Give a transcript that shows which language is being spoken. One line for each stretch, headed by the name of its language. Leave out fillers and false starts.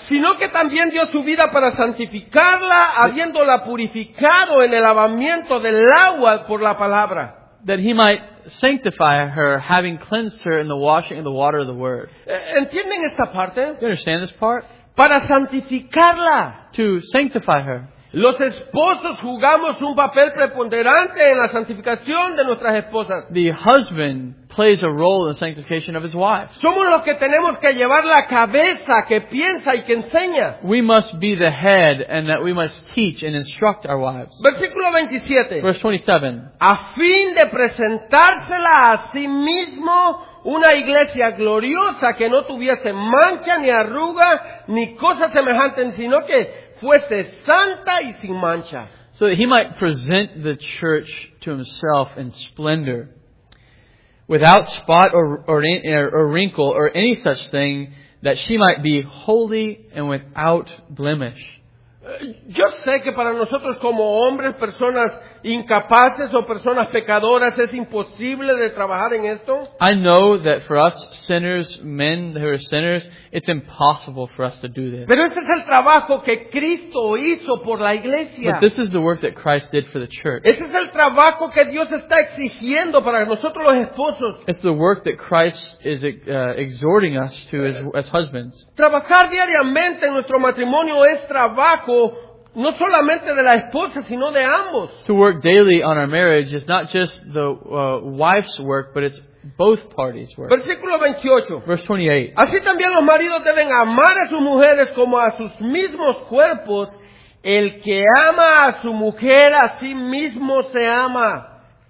Spanish: sino que también dio su vida para santificarla, habiéndola purificado en el lavamiento del agua por la palabra.
English: That he might sanctify her, having cleansed her in the washing of the water of the word.
Spanish: ¿Entienden esta parte?
English: You understand this part?
Spanish: Para santificarla.
English: To sanctify her.
Spanish: Los esposos jugamos un papel preponderante en la santificación de nuestras esposas.
English: The husband plays a role in the sanctification of his wife.
Spanish: Somos los que tenemos que llevar la cabeza, que piensa y que enseña.
English: We must be the head and that we must teach and instruct our wives.
Spanish: Versículo 27.
English: Verse 27.
Spanish: A fin de presentársela a sí mismo una iglesia gloriosa que no tuviese mancha ni arruga ni cosa semejante, sino que fuese santa y sin mancha.
English: So that he might present the church to himself in splendor, without spot or wrinkle or any such thing, that she might be holy and without blemish.
Spanish: Yo sé que para nosotros como hombres, personas incapaces o personas pecadoras, es imposible de trabajar en esto.
English: I know that for us sinners, men who are sinners, it's impossible for us to do this.
Spanish: Pero este es el trabajo que Cristo hizo por la iglesia.
English: But this is the work that Christ did for the church.
Spanish: Este es el trabajo que Dios está exigiendo para nosotros los esposos.
English: It's the work that Christ is exhorting us to as husbands.
Spanish: Trabajar diariamente en nuestro matrimonio es trabajo no solamente de la esposa, sino de ambos.
English: To work daily on our marriage is not just the wife's work, but it's both parties' work.
Spanish: Versículo 28.
English: Verse 28.
Spanish: Así también los maridos deben amar a sus mujeres como a sus mismos cuerpos. El que ama a su mujer a sí mismo se ama.